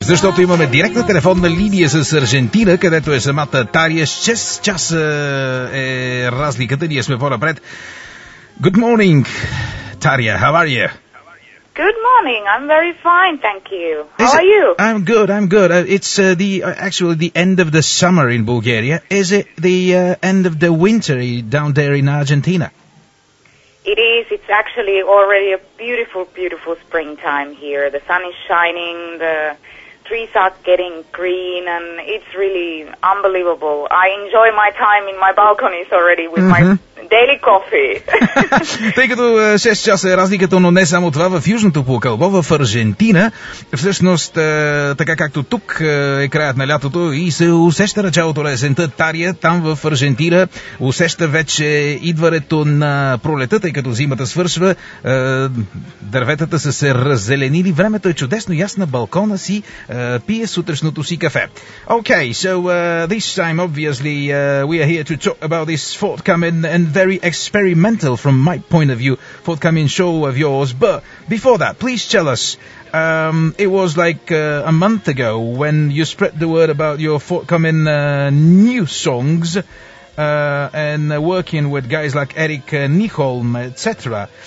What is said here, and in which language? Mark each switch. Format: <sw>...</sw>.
<bg>Защото имаме директна телефонна линия с Аржентина, където е самата Тария. 6 часа е разликата. Ние сме по-напред.</bg> <en>Good morning, Тария. How are you? Good morning. I'm very fine, thank you. How are you? I'm good. It's actually the end of the summer in Bulgaria. Is it the end of the winter down there in Argentina? It is. It's actually already a beautiful, beautiful springtime here. The sun is shining, the trees are getting green, and it's really unbelievable. I enjoy my time in my balconies already with my... Daily coffee.</en> <bg>Тъй като 6 часа е разликата, но не само това, в Южното полукълбо, в Аржентина, всъщност, така както тук е краят на лятото и се усеща началото на есента, Тария, там в Аржентина, усеща вече идването на пролета, тъй като зимата свършва, дърветата са се раззеленили, времето е чудесно, яс на балкона си пие сутрешното си кафе.</bg> <en>Okay, so this time, obviously, we are here to talk about this forthcoming and very experimental from my point of view forthcoming show of yours, but before that, please tell us it was like a month ago when you spread the word about your forthcoming new songs and working with guys like Eric Nyholm, etc.</en>